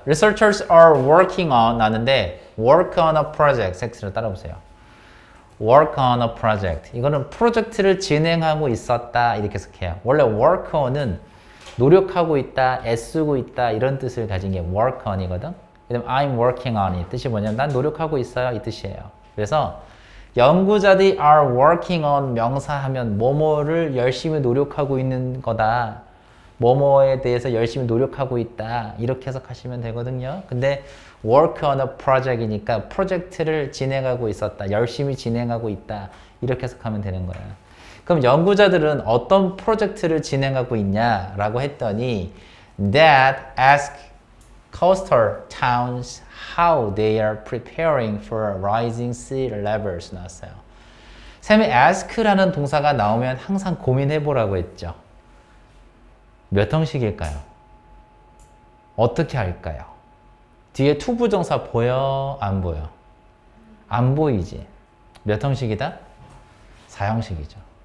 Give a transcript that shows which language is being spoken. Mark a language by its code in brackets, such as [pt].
[en] Researchers are working on [ko] 나는데 [en] work on a project. [ko] 섹스를 따라보세요. [en] Work on a project. [ko] 이거는 프로젝트를 진행하고 있었다 이렇게 해석해요. 원래 work on은 노력하고 있다, 애쓰고 있다 이런 뜻을 가진 게 work on이거든. 그다음 [en] I'm working on [ko] 이 뜻이 뭐냐면 난 노력하고 있어요 이 뜻이에요. 그래서 연구자들이 [en] are working on [ko] 명사하면 뭐뭐를 열심히 노력하고 있는 거다. 뭐뭐에 대해서 열심히 노력하고 있다 이렇게 해석하시면 되거든요. 근데 [en] work on a project [ko] 이니까 프로젝트를 진행하고 있었다, 열심히 진행하고 있다 이렇게 해석하면 되는 거야. 그럼 연구자들은 어떤 프로젝트를 진행하고 있냐 라고 했더니 [en] that ask coastal towns how they are preparing for rising sea levels [ko] 나왔어요. 쌤이 ask라는 동사가 나오면 항상 고민해 보라고 했죠. 몇 형식일까요? 어떻게 할까요? 뒤에 to 부정사 보여? 안 보여? 안 보이지? 몇 형식이다? 4형식이죠.